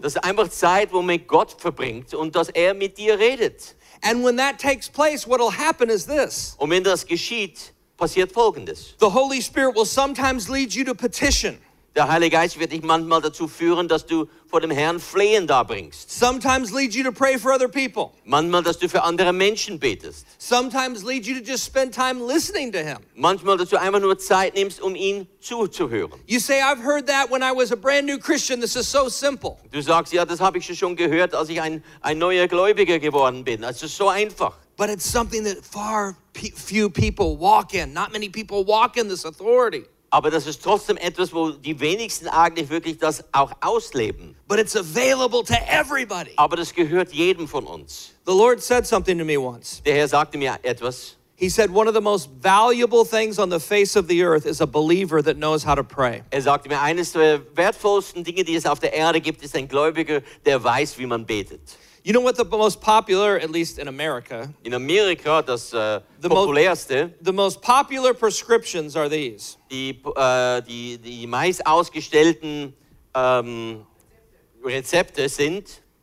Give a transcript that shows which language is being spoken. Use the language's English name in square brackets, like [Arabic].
[German] Das ist einfach Zeit, wo man Gott verbringt und dass er mit dir redet. [English] And when that takes place, what'll happen is this. [German] Und wenn das geschieht, passiert Folgendes. [English] The Holy Spirit will sometimes lead you to petition. [German] Der Heilige Geist wird dich manchmal dazu führen, dass du vor dem Herrn Flehen darbringst. [English] Sometimes lead you to pray for other people. [German] Manchmal, dass du für andere Menschen betest. [English] Sometimes lead you to just spend time listening to Him. [German] Manchmal, dass du einfach nur Zeit nimmst, um ihn zuzuhören. [English] You say, I've heard that when I was a brand new Christian. This is so simple. [German] Du sagst, ja, das habe ich schon gehört, als ich ein neuer Gläubiger geworden bin. Es ist so einfach. [English] But it's something that far few people walk in. Not many people walk in this authority. [German] Aber das ist trotzdem etwas, wo die wenigsten eigentlich wirklich das auch ausleben. [English] But it's available to everybody. [German] Aber das gehört jedem von uns. [English] The Lord said something to me once. [German] Der Herr sagte mir etwas. [English] He said, one of the most valuable things on the face of the earth is a believer that knows how to pray. [German] Er sagte mir, eines der wertvollsten Dinge, die es auf der Erde gibt, ist ein Gläubiger, der weiß, wie man betet. [English] You know what the most popular, at least in America, the most popular prescriptions are these. [German] Die meist ausgestellten Rezepte sind